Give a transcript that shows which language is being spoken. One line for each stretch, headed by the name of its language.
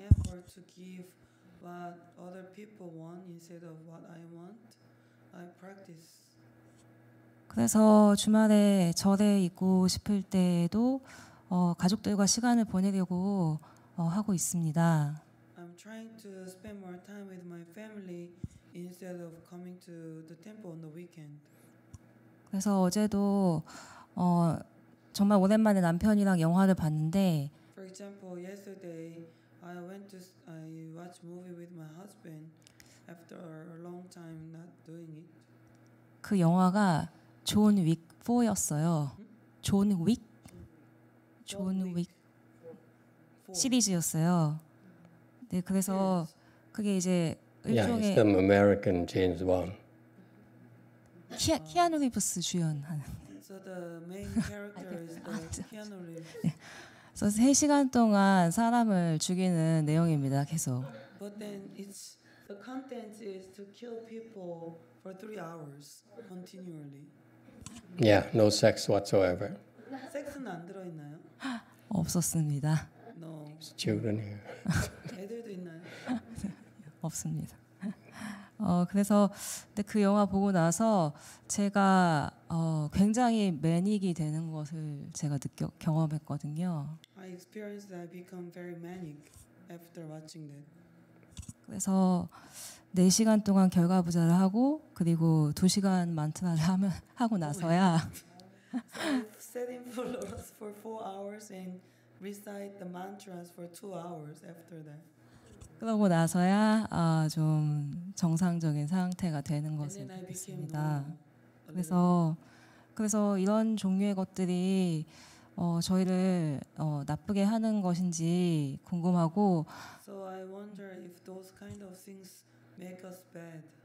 English: Or to give what other people want instead of what I want, I practice.
Korean: 그래서 주말에 절에 있고 싶을 때에도 가족들과 시간을 보내려고 하고 있습니다.
English: I'm trying to spend more time with my family instead of coming to the temple on the weekend.
Korean: 그래서 어제도 정말 오랜만에 남편이랑 영화를 봤는데.
English: For example, yesterday. I watched a movie with my husband after a long time not doing it.
Korean: 그 영화가 존 윅 4였어요. 존 윅? 존 윅 시리즈였어요. 네, 그래서 그게 이제 일종의
English: yeah, some American James Bond.
Korean: Keanu Reeves 주연하는.
English: So the main character is the Keanu Reeves.
Korean: 그래서 3시간 동안 사람을 죽이는 내용입니다. 계속.
English: But then it's the content is to kill people for 3 hours continually. Yeah, no sex whatsoever.
Korean: 섹스는 안 들어 있나요? 없었습니다.
English: No. It's children here.
Korean: 애들도 있나요? 없습니다. 그래서 근데 그 영화 보고 나서 제가 굉장히 매닉이 되는 것을 제가 경험했거든요.
English: I experienced that I become very manic after watching that.
Korean: 그래서 4시간 동안 결과 부자를 하고 그리고 2시간 만트라를 하고 나서야
English: sitting for 4 hours and recite the mantras for 2 hours after that.
Korean: 그러고 나서야 좀 정상적인 상태가 되는 것을 느꼈습니다. 그래서 이런 종류의 것들이 저희를 나쁘게 하는 것인지 궁금하고
English: So I wonder if those kind of things make us bad.